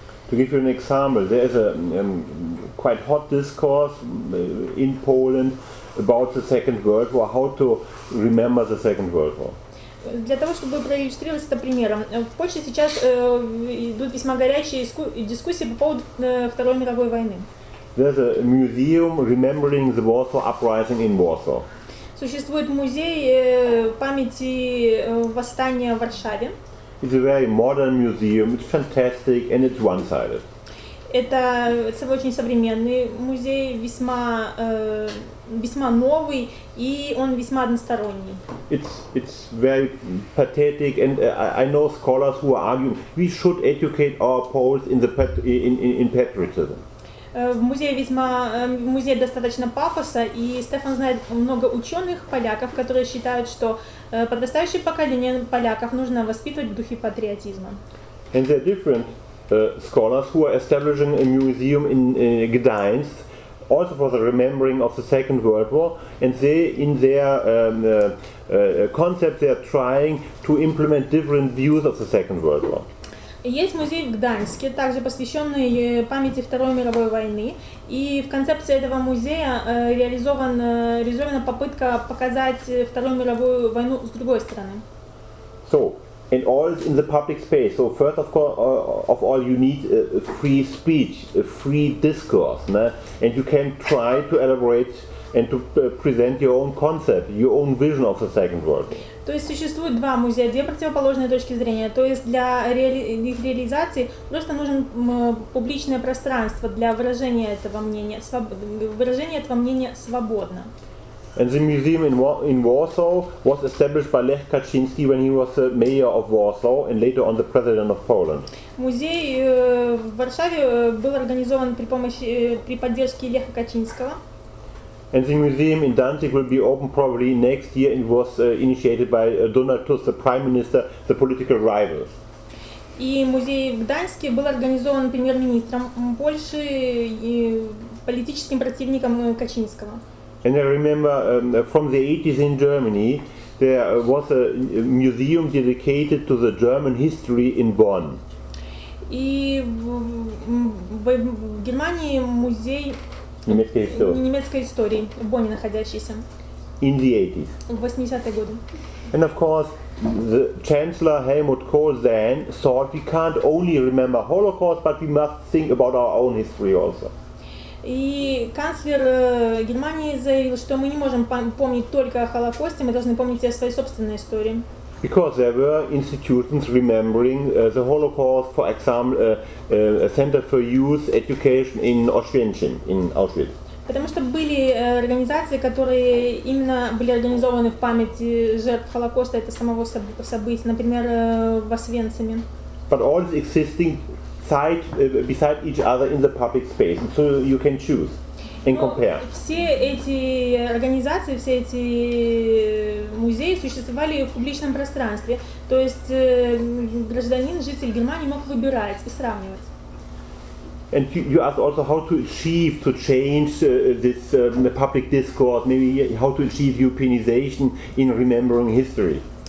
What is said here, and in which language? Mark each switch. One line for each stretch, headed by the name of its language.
English: To give you an example, there is a quite hot discourse in Poland about the Second World War, how to remember the Second World War.
Russian: Для того, чтобы проиллюстрировать это примером, в Польше сейчас идут весьма горячие дискуссии по поводу Второй мировой войны.
English: There's a museum remembering the Warsaw Uprising in Warsaw.
Russian: Существует музей памяти восстания в Варшаве.
English: It's a very modern museum. It's fantastic and it's one-sided.
Russian: Это очень современный музей, весьма новый, и он весьма односторонний.
English: It's very pathetic, and I know scholars who are arguing we should educate our Poles in patriotism.
Russian: В музее достаточно пафоса, и Стефан знает много ученых поляков, которые считают, что подрастающее поколение поляков нужно воспитывать в духе патриотизма.
English: And there are different scholars who are establishing a museum in Gdańsk, also for the remembering of the Second World War, and they, in their concept, they are trying to implement different views of the Second World War.
Russian: Есть музей в Гданьске, также посвященный памяти Второй мировой войны. И в концепции этого музея реализована попытка показать Вторую мировую войну с другой стороны.
English: So, and all in the public space. So, first of all, you need a free speech, a free discourse, né? And you can try to elaborate and to present your own concept, your own vision of the Second World War.
Russian: То есть существует два музея, две противоположные точки зрения. То есть для их реализации просто нужен публичное пространство для выражения этого мнения, свободно.
English: And the museum in Warsaw was established by Lech Kaczyński when he was the mayor of Warsaw and later on the president of Poland.
Russian: Музей в Варшаве был организован при поддержке Леха Качинского.
English: And the museum in Danzig will be open probably next year and was initiated by Donald Tusk, the prime minister, the political rival.
Russian: И музей в Гданьске был организован премьер-министром Польши и политическим противником Качинского.
English: And I remember from the 80s in Germany there was a museum dedicated to the German history in Bonn.
Russian: И в Германии музей немецкой истории в Бонне находящийся.
English: In the 80s.
Russian: В 80-е годы.
English: And of course, the Chancellor Helmut Kohl then thought we can't only remember Holocaust, but we must think about our own history also.
Russian: И канцлер Германии заявил, что мы не можем помнить только о Холокосте, мы должны помнить о своей собственной истории.
English: Because there were institutions remembering the Holocaust, for example, a center for youth education in Oświęcim, in Auschwitz.
Russian: Потому что были организации, которые именно были организованы в память жертв Холокоста, это самого события, например, в Освенциме.
English: But all is existing side beside each other in the public space, so you can choose.
Russian: Все эти организации, все эти музеи существовали в публичном пространстве, то есть гражданин, житель Германии мог выбирать и сравнивать.
English: And you asked also how to achieve to change this public discourse, maybe how to achieve Europeanization in remembering history.